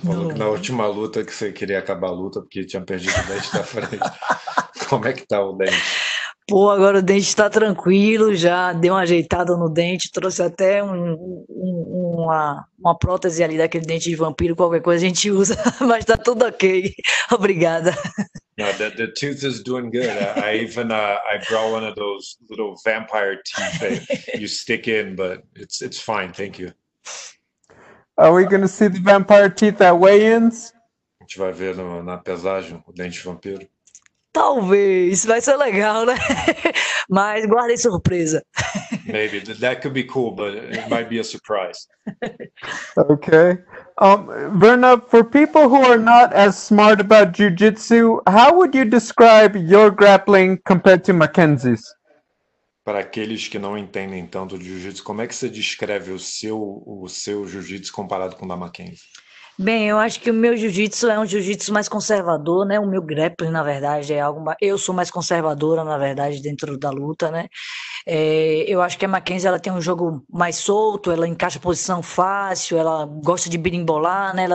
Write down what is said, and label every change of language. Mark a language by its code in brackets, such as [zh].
[pt] Falou que na última luta que você queria acabar a luta porque tinha perdido o dente da frente. Como é que tá o dente? Pô, agora o dente tá tranquilo, já deu uma ajeitada no dente, trouxe até uma prótese ali daquele dente de vampiro, qualquer coisa a gente usa, mas tá tudo ok. Obrigada. [en] No, the tooth is doing good. I brought one of those little vampire teeth that you stick in, but it's fine. Thank you. Are we going to see the vampire teeth at weigh-ins? [pt] A gente vai ver na pesagem o dente vampiro. Talvez. Vai ser legal, né? Mas guardei surpresa. [en] Maybe. That could be cool, but it might be a surprise. Okay. Virna, for people who are not as smart about jiu-jitsu, how would you describe your grappling compared to Mackenzie's? [pt] Para aqueles que não entendem tanto de jiu-jitsu, como é que você descreve o seu jiu-jitsu comparado com o da Mackenzie? Bem, eu acho que o meu jiu-jitsu é um jiu-jitsu mais conservador, né? O meu grappling, na verdade, é algo... Eu sou mais conservadora, na verdade, dentro da luta, né? É, eu acho que a Mackenzie, ela tem um jogo mais solto, ela encaixa posição fácil, ela gosta de birimbolar, né?